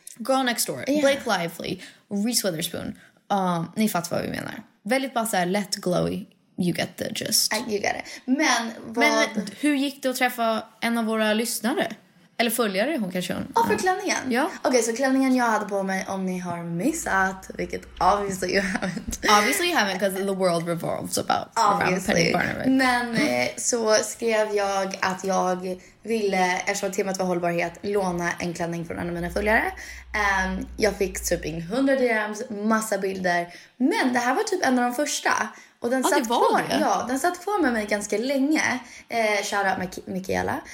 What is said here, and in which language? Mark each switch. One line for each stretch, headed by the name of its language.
Swedish: Girl Next Door, yeah. Blake Lively, Reese Witherspoon. Ni fattar vad vi menar. Väldigt bara så här, lätt glowy.
English: You get the gist. You get it. Men,
Swedish: hur gick det att träffa en av våra lyssnare? Eller följare hon kanske hon. Ja, för klänningen. Ja. Okej, så klänningen jag hade på mig, om ni har missat, vilket
English: obviously you haven't. Obviously you haven't, because the world revolves about around Penny Barnaby.
Swedish: Men så skrev jag att jag ville, eftersom temat var hållbarhet, låna en klänning från en av mina följare. Jag fick typ in 100 DMs, massa bilder. Men det här var typ en av de första. Och den satt kvar. Ja, den satt kvar med mig ganska länge. Shoutout Michaela.